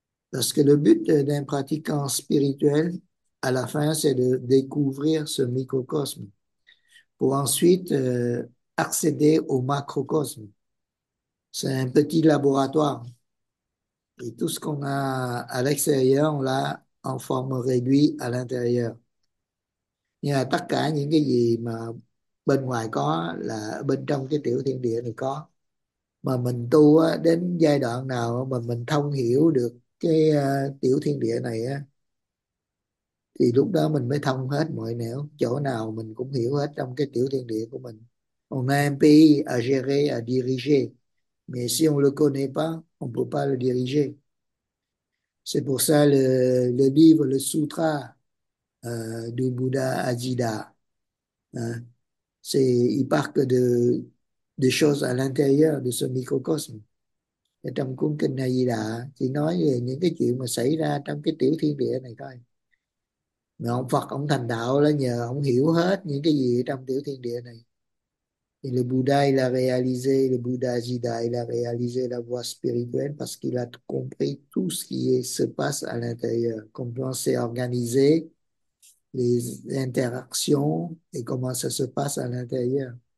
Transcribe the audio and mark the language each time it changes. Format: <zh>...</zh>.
<fr>Parce que le but d'un pratiquant spirituel, à la fin, c'est de découvrir ce microcosme pour ensuite accéder au macrocosme. C'est un petit laboratoire. Et tout ce qu'on a à l'extérieur, on l'a en forme réduite à l'intérieur.</fr> <vi>Nhưng mà tất cả những cái gì mà bên ngoài có là bên trong cái tiểu thiên địa này có. Mà mình tu á, đến giai đoạn nào mà mình thông hiểu được cái tiểu thiên địa này á, thì lúc đó mình mới thông hết mọi nẻo, chỗ nào mình cũng hiểu hết trong cái tiểu thiên địa của mình.</vi> <fr>On a un pays à gérer, à diriger. Mais si on le connaît pas, on peut pas le diriger. C'est pour ça le livre, le sutra du Bouddha Ajita. Hein, il part que de choses à l'intérieur de ce microcosme.</fr> <vi>Et trong cuốn kinh Ajita, chỉ nói về những cái chuyện mà xảy ra trong cái tiểu thiên địa này thôi. Mà ông Phật, ông thành đạo là nhờ ông hiểu hết những cái gì trong tiểu thiên địa này.</vi> <fr>Et le Bouddha, il a réalisé, le Bouddha Ajita, il a réalisé la voie spirituelle parce qu'il a compris tout ce qui se passe à l'intérieur, comment c'est organisé, les interactions et comment ça se passe à l'intérieur.</fr>